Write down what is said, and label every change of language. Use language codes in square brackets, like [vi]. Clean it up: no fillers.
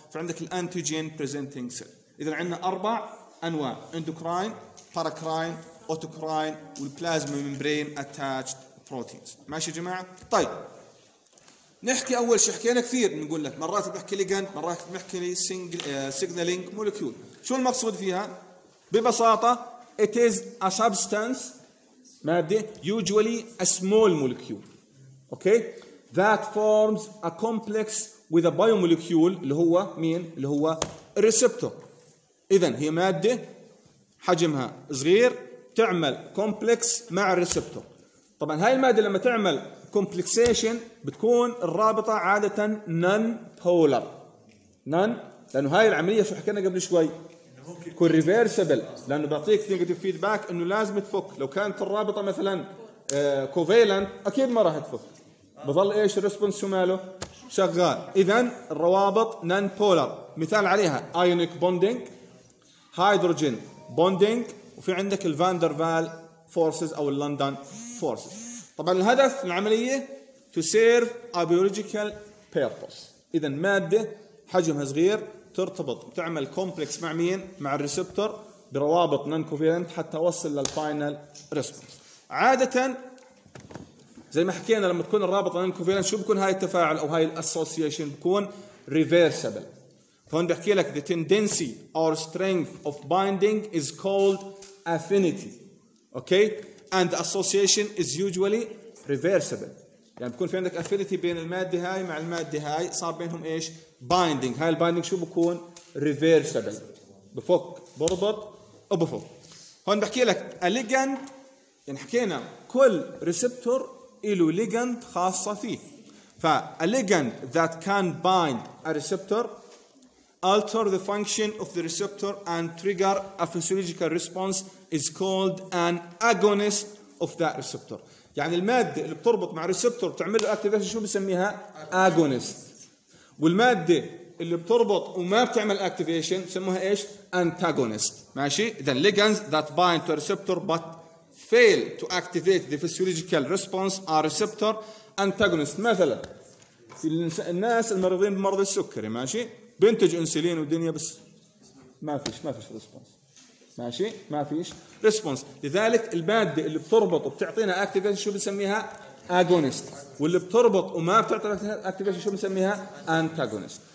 [ar] فعندك الانتيجين بريزنتينج سيل. إذا عندنا أربع أنواع: إندوكراين، باراكراين، أوتوكراين، والبلازما ممبرين أتاتشد بروتينز. ماشي يا جماعة؟ طيب نحكي أول شيء، حكينا كثير، نقول لك مرات بحكي ليجاند، مرات بحكي لي سيجنالينج موليكيول. شو المقصود فيها؟ ببساطة [en] it is a substance، مادة usually a small molecule okay that forms a complex with a biomolecule [ar] اللي هو مين؟ اللي هو [en] receptor. [ar] إذن هي مادة حجمها صغير تعمل complex مع receptor. طبعا هاي المادة لما تعمل complexation بتكون الرابطة عادة non-polar، لأنه هاي العملية شو حكينا قبل شوي؟ كون ريفيرسبل، لأنه بعطيك نيجاتيف فيدباك إنه لازم تفك. لو كانت الرابطة مثلاً كوفيلنت أكيد ما راح تفك، بظل إيش الريسبونس شماله شغال. إذن الروابط نان بولر. مثال عليها آيونيك بوندينج، هيدروجين بوندينج، وفي عندك الفاندر فال فورسز أو اللندن فورسز. طبعاً الهدف من العملية [en] to serve a biological purpose. [ar] إذن مادة حجمها صغير ترتبط بتعمل كومبلكس مع مين؟ مع الريسبتور بروابط نون كوفيلنت حتى وصل للفاينل ريسبونس. عادة زي ما حكينا لما تكون الرابطة نون كوفيلنت شو بكون هاي التفاعل أو هاي الاسوسياشن؟ بكون ريفيرسبل. فهون بحكي لك [en] the tendency or strength of binding is called affinity okay and association is usually reversible. [ar] يعني بكون في عندك affinity بين المادة هاي مع المادة هاي، صار بينهم إيش؟ binding. هاي البايندينج شو بكون؟ reversible، بفك بربط وبفك. هون بحكي لك a ligand، يعني حكينا كل receptor إلو ليجند خاصة فيه. [en] فالليجند that can bind a receptor alter the function of the receptor and trigger a physiological response is called an agonist of that receptor. [ar] يعني المادة اللي بتربط مع ريسبتور بتعمل له اكتيفيشن شو بسميها؟ agonist. والمادة اللي بتربط وما بتعمل اكتيفيشن بسموها ايش؟ antagonist. ماشي؟ [en] then ligands that bind to a receptor but fail to activate the physiological response are receptor antagonist. [ar] مثلا في الناس المريضين بمرض السكري ماشي؟ بنتج انسولين والدنيا بس ما فيش ريسبونس ماشي ما فيش ريسبونس. لذلك الماده اللي بتربط وبتعطينا اكتيفيشن شو بنسميها؟ اغونست. واللي بتربط وما بتعطينا اكتيفيشن شو بنسميها؟ انتاغونست.